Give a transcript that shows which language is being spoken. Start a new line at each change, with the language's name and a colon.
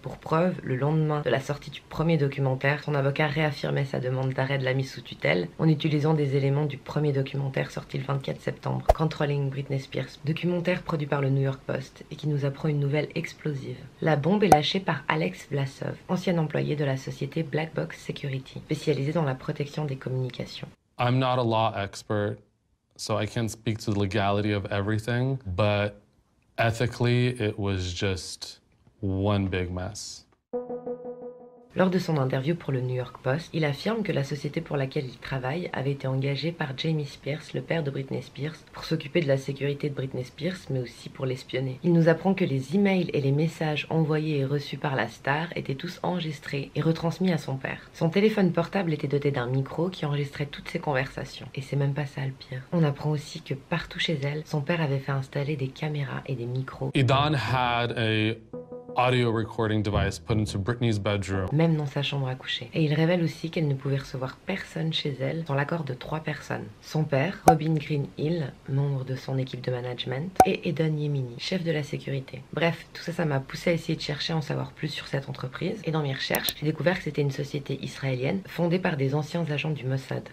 French: Pour preuve, le lendemain de la sortie du premier documentaire, son avocat réaffirmait sa demande d'arrêt de la mise sous tutelle en utilisant des éléments du premier documentaire sorti le 24 septembre, Controlling Britney Spears, documentaire produit par le New York Post et qui nous apprend une nouvelle explosive. La bombe est lâchée par Alex Vlasov, ancien employé de la société Black Box Security, spécialisé dans la protection des communications.
English: I'm not a law expert. So I can't speak to the legality of everything, but ethically, it was just one big mess.
French: Lors de son interview pour le New York Post, il affirme que la société pour laquelle il travaille avait été engagée par Jamie Spears, le père de Britney Spears, pour s'occuper de la sécurité de Britney Spears, mais aussi pour l'espionner. Il nous apprend que les emails et les messages envoyés et reçus par la star étaient tous enregistrés et retransmis à son père. Son téléphone portable était doté d'un micro qui enregistrait toutes ses conversations. Et c'est même pas ça le pire. On apprend aussi que partout chez elle, son père avait fait installer des caméras et des micros.
English: Idan had a audio recording device put into Britney's bedroom.
French: Même dans sa chambre à coucher. Et il révèle aussi qu'elle ne pouvait recevoir personne chez elle sans l'accord de trois personnes. Son père, Robin Greenhill, membre de son équipe de management, et Eden Yemini, chef de la sécurité. Bref, tout ça, ça m'a poussé à essayer de chercher à en savoir plus sur cette entreprise. Et dans mes recherches, j'ai découvert que c'était une société israélienne fondée par des anciens agents du Mossad.